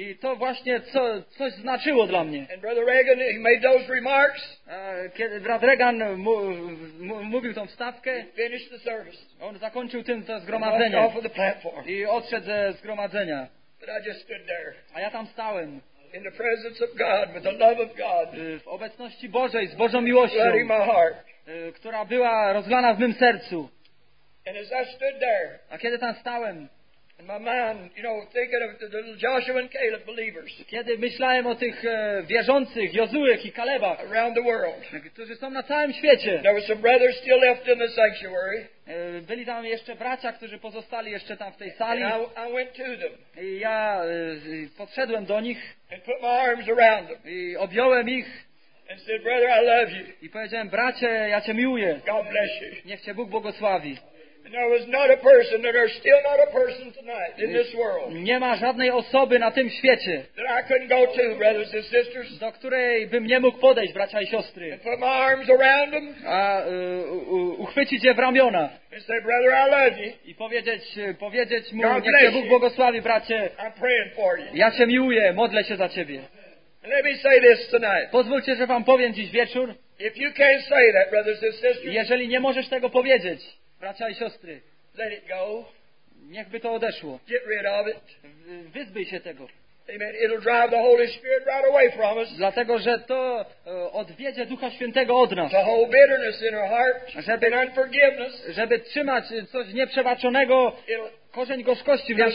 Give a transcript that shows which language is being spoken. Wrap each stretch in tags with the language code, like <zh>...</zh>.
<pl>I to właśnie coś znaczyło dla mnie.</pl> <en>And Brother Reagan, he made those remarks.</en> <pl>Kiedy brat Reagan mówił tą wstawkę,</pl> <en>he finished the service.</en> <pl>On zakończył tym to zgromadzenie.</pl> <en>Off of the platform.</en> <pl>I odszedł ze zgromadzenia.</pl> <en>But I just stood there.</en> <pl>A ja tam stałem.</pl> <en>In the presence of God, with the love of God.</en> <pl>W obecności Bożej, z Bożą miłością.</pl> <en>Bloody my heart.</en> <pl>Która była rozlana w mym sercu.</pl> <en>And as I stood there,</en> <pl>a kiedy tam stałem,</pl> <en>and my mind, you know, thinking of the little Joshua and Caleb believers,</en> <pl>kiedy myślałem o tych wierzących Jozuech i Kalebach,</pl> <en>around the world,</en> <pl>którzy są na całym świecie,</pl> <en>there were some brothers still left in the sanctuary.</en> <pl>Byli tam jeszcze bracia, którzy pozostali jeszcze tam w tej sali.</pl> <en>And I went to them.</en> <pl>I ja podszedłem do nich.</pl> <en>And put my arms around them.</en> <pl>I objąłem ich.</pl> <en>And said, brother, I love you.</en> <pl>I powiedziałem, bracie, ja cię miłuję.</pl> <en>God bless you.</en> <pl>Niech cię Bóg błogosławi.</pl> <en>There was not a person, there are still not a person tonight in this world.</en> <pl>Nie ma żadnej osoby na tym świecie,</pl> <en>that I couldn't go to, brothers and sisters.</en> <pl>Do której bym nie mógł podejść, bracia i siostry.</pl> <en>And put my arms around them.</en> <pl>A uchwycić je w ramiona.</pl> <en>And say, brother, I love you.</en> <pl>I powiedzieć mu, niech cię Bóg błogosławi, bracie.</pl> <en>I'm praying for you.</en> <pl>Ja cię miłuję, modlę się za ciebie.</pl> <en>And let me say this tonight.</en> <pl>Pozwólcie, że wam powiem dziś wieczór.</pl> <en>If you can't say that, brothers and sisters.</en> <pl>Jeżeli nie możesz tego powiedzieć. Bracia i siostry,</pl> <en>let it go.</en> <pl>Niech by to odeszło.</pl> <en>Get rid of it.</en> <pl>Wyzbyj się tego.</pl> <en>Amen. It'll drive the Holy Spirit right away from us.</en> <pl>Dlatego, że to odwiedzie Ducha Świętego od nas.</pl> <en>To hold bitterness in our heart,</en> <pl>żeby,</pl> <en>and unforgiveness.</en> <pl>Żeby trzymać coś nieprzebaczonego, korzeń gorzkości w naszych</pl>